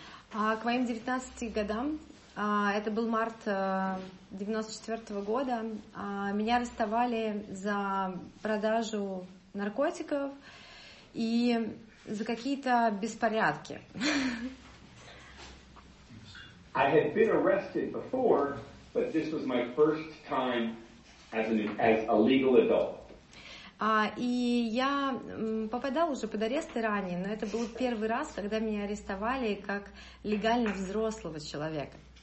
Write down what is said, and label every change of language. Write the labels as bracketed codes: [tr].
[ru] К моим 19 годам, это был март 94 года, меня арестовали за продажу наркотиков и за какие-то беспорядки. [en] I had been arrested before, but this was my first time as a legal adult. [ru] И я попадала уже под аресты ранее, но это был первый раз, когда меня арестовали как легально взрослого человека.